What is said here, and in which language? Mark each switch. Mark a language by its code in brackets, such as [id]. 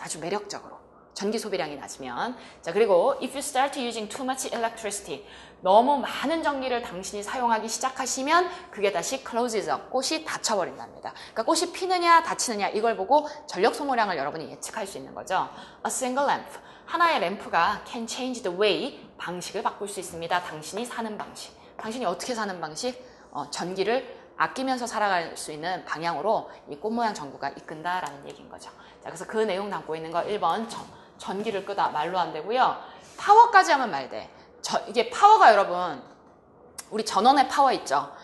[ko] 아주 매력적으로. 전기 소비량이 낮으면. 자, 그리고 [en] if you start using too much electricity, [ko] 너무 많은 전기를 당신이 사용하기 시작하시면 그게 다시 [en] closes up, [ko] 꽃이 닫혀버린답니다. 그러니까 꽃이 피느냐 닫히느냐 이걸 보고 전력 소모량을 여러분이 예측할 수 있는 거죠. [en] A single lamp, [ko] 하나의 램프가 [en] can change the way, [ko] 방식을 바꿀 수 있습니다. 당신이 사는 방식, 당신이 어떻게 사는 방식, 전기를 아끼면서 살아갈 수 있는 방향으로 이 꽃 모양 전구가 이끈다라는 얘기인 거죠. 자, 그래서 그 내용 담고 있는 거 1번 전기를 끄다 말로 안 되고요. 파워까지 하면 말 돼. 이게 파워가 여러분 우리 전원의 파워 있죠.